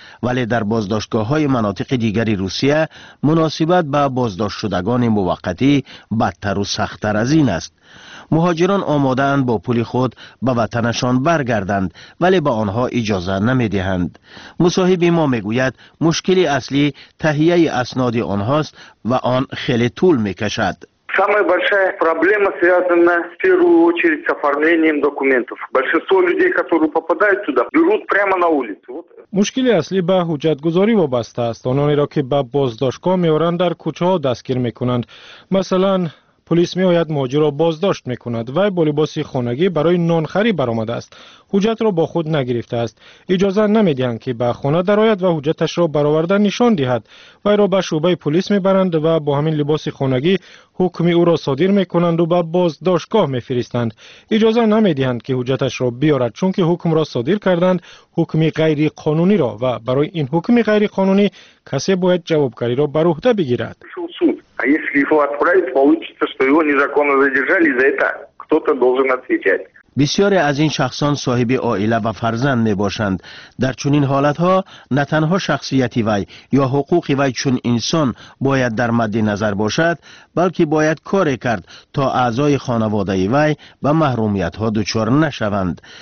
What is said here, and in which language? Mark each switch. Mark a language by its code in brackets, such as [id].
[fa] ولی در بازداشتگاه های مناطق دیگری روسیه مناسبت به بازداشت شدگان موقتی بدتر و سختر از این است. مهاجران آماده اند با پول خود به وطنشان برگردند، ولی به آنها اجازه نمی دهند. مصاحب ما می گوید مشکل اصلی تهیه اسناد آنهاست و آن خیلی طول می کشد. [ru] Самая большая проблема связана в первую очередь с оформлением документов. Большинство людей, которые попадают сюда, берут прямо на улицу. [tg] Мушкили асли ба худжатгузори вобаста аст. Онони ро ки ба боздошко меоран дар кучао дастгир мекунанд. [fa] Масалан پلیس می آید مهاجر را بازداشت می کند و با لباس خانگی برای نانخری برآمده است. حجت را با خود نگرفته است. اجازه نمی دهند که به خانه درآید و حجتش را برآورده نشان دهد. وی را به شعبه پلیس می برند و با همین لباس خانگی حکم او را صادر می کنند و به بازداشتگاه می فرستند. اجازه نمی دهند که حجتش را بیارد، چون که حکم را صادر کردند، حکم غیر قانونی را، و برای این حکم غیر قانونی کسی باید جوابگری را بر عهده بگیرد. [ru] А если его отправить, получится, что его незаконно задержали, за это кто-то должен отвечать. [fa] بسیاری از این شخصان صاحب عائله و فرزند می باشند. در چنین حالت ها نه تنها شخصیتی وی یا حقوق وی چون انسان باید در مد نظر باشد، بلکه باید کار کرد تا اعضای خانواده وی به محرومیت ها دچار نشوند.